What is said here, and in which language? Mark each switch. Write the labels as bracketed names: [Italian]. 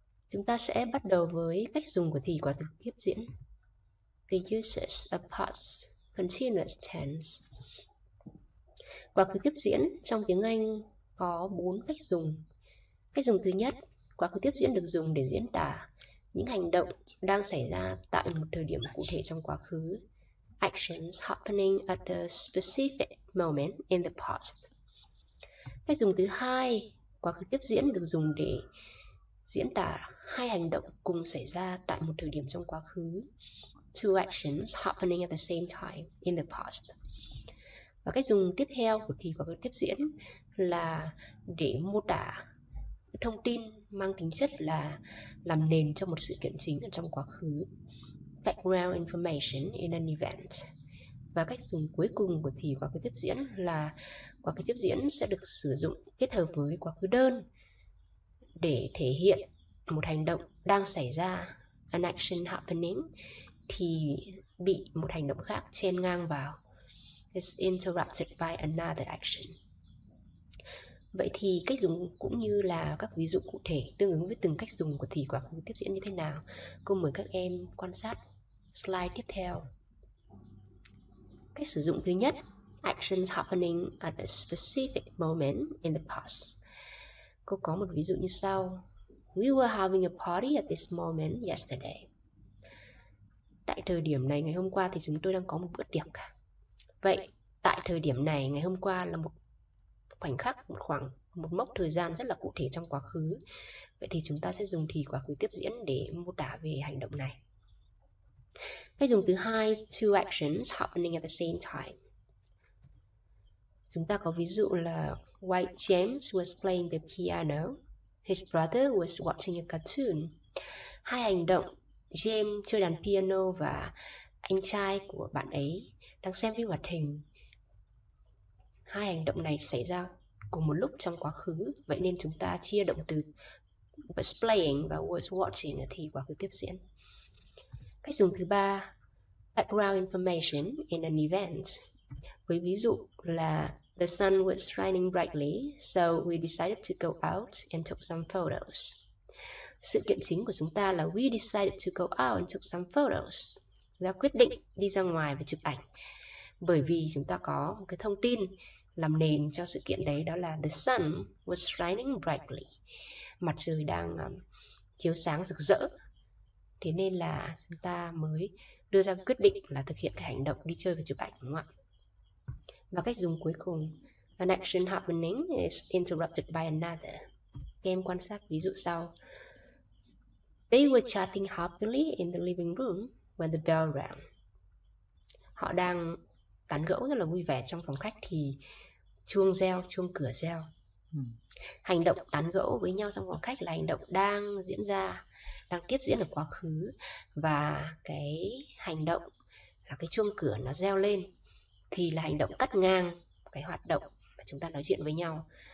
[Vietnamese] Chúng ta sẽ bắt đầu với cách dùng của thì quá khứ tiếp diễn, [English] the uses of past continuous tense. [Vietnamese] Quá khứ tiếp diễn trong tiếng Anh có 4 cách dùng. Cách dùng thứ nhất, quá khứ tiếp diễn được dùng để diễn tả những hành động đang xảy ra tại một thời điểm cụ thể trong quá khứ. [English] Actions happening at a specific moment in the past. [Vietnamese] Cách dùng thứ hai, quá khứ tiếp diễn được dùng để diễn tả hai hành động cùng xảy ra tại một thời điểm trong quá khứ. [English] Two actions happening at the same time in the past. [Vietnamese] Và cách dùng tiếp theo của thì quá khứ tiếp diễn là để mô tả thông tin mang tính chất là làm nền cho một sự kiện chính ở trong quá khứ. [English] Background information in an event. [Vietnamese] Và cách dùng cuối cùng của thì quá khứ tiếp diễn là quá khứ tiếp diễn sẽ được sử dụng kết hợp với quá khứ đơn để thể hiện một hành động đang xảy ra, [English] an action happening, [Vietnamese] thì bị một hành động khác chen ngang vào, [English] is interrupted by another action. [Vietnamese] Vậy thì cách dùng cũng như là các ví dụ cụ thể tương ứng với từng cách dùng của thì quá khứ tiếp diễn như thế nào, cô mời các em quan sát slide tiếp theo. Cách sử dụng thứ nhất, [English] actions happening at a specific moment in the past. [Vietnamese] Cô có một ví dụ như sau. [English] We were having a party at this moment yesterday. [Vietnamese] Tại thời điểm này ngày hôm qua thì chúng tôi đang có một bữa tiệc. Vậy tại thời điểm này ngày hôm qua là một khoảnh khắc, một mốc thời gian rất là cụ thể trong quá khứ. Vậy thì chúng ta sẽ dùng thì quá khứ tiếp diễn để mô tả về hành động này. Cách dùng thứ hai, [English] two actions happening at the same time. [Vietnamese] Chúng ta có ví dụ là [English] while James was playing the piano, his brother was watching a cartoon. [Vietnamese] Hai hành động, James chơi đàn piano và anh trai của bạn ấy đang xem phim hoạt hình. Hai hành động này xảy ra cùng một lúc trong quá khứ, vậy nên chúng ta chia động từ was playing và was watching thì quá khứ tiếp diễn. Cách dùng thứ ba, [English] background information in an event. [Vietnamese] Với ví dụ là [English] the sun was shining brightly, so we decided to go out and took some photos. [Vietnamese] Sự kiện chính của chúng ta là [English] we decided to go out and took some photos. [Vietnamese] Chúng ta quyết định đi ra ngoài và chụp ảnh. Bởi vì chúng ta có một cái thông tin làm nền cho sự kiện đấy, đó là [English] the sun was shining brightly. [Vietnamese] Mặt trời đang chiếu sáng rực rỡ. Thế nên là chúng ta mới đưa ra quyết định là thực hiện cái hành động đi chơi và chụp ảnh, đúng không ạ? Và cách dùng cuối cùng, [English] an action happening is interrupted by another. [Vietnamese] Các em quan sát ví dụ sau. [English] They were chatting happily in the living room when the bell rang. [Vietnamese] Họ đang tán gẫu rất là vui vẻ trong phòng khách thì chuông reo, chuông cửa reo. Hành động tán gẫu với nhau trong phòng khách là hành động đang diễn ra, đang tiếp diễn ở quá khứ. Và cái hành động là cái chuông cửa nó reo lên thì là hành động cắt ngang cái hoạt động mà chúng ta nói chuyện với nhau.